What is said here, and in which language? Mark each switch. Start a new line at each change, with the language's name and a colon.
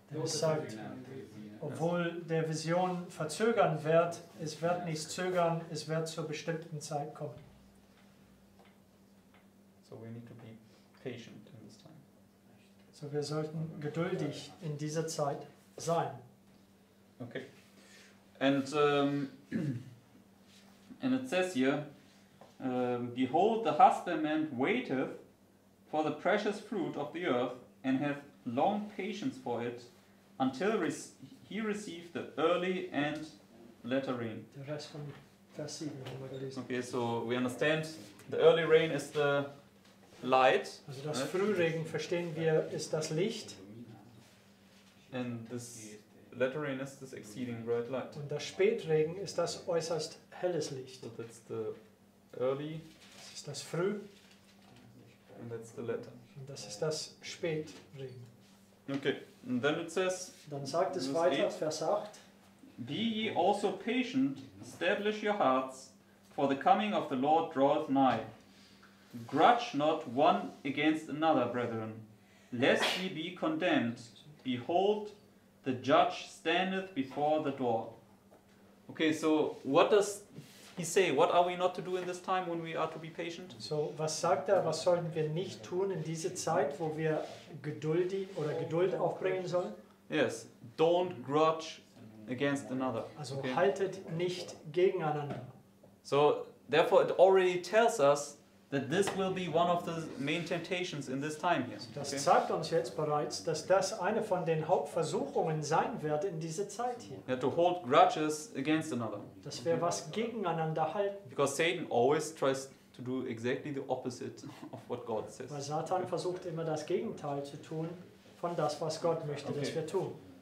German: Der Herr sagt, obwohl der Vision verzögern wird, es wird nichts zögern, es wird zur bestimmten Zeit kommen.
English: So we need to be patient in this time.
German: So wir sollten geduldig in dieser Zeit sein.
English: Okay. And it says here, behold, the husbandman waiteth for the precious fruit of the earth, and hath long patience for it, until he receive the early and latter rain. The rest from Vers 7, okay, so we understand the early rain is the light.
German: Also das Frühregen, verstehen wir, ist das Licht.
English: And this latter rain is this exceeding bright light.
German: Und das Spätregen ist das äußerst helles Licht.
English: So that's the early.
German: Das ist das Früh.
English: And that's the latter.
German: Und das ist das Spätregen.
English: Okay, and then it says,
German: dann sagt es weiter, 8, Vers 8.
English: Be ye also patient, establish your hearts, for the coming of the Lord draweth nigh. Grudge not one against another, brethren, lest ye be condemned. Behold, the judge standeth before the door. Okay, so what does he say? What are we not to do in this time when we are to be patient?
German: So, was sagt er, was sollen wir nicht tun in diese Zeit, wo wir geduldig oder Geduld aufbringen sollen?
English: Yes, don't grudge against another.
German: Also okay. Haltet nicht gegeneinander.
English: So, therefore it already tells us that this will be one of the main temptations in this time here. Okay.
German: Das zeigt uns jetzt bereits, dass das eine von den Hauptversuchungen sein wird in dieser Zeit hier.
English: Yeah, to hold grudges against another.
German: Dass wir was gegeneinander halten.
English: Because Satan always tries to do exactly the opposite of what God says.
German: Weil Satan versucht immer das Gegenteil zu tun von das, was Gott möchte, okay, dass wir tun.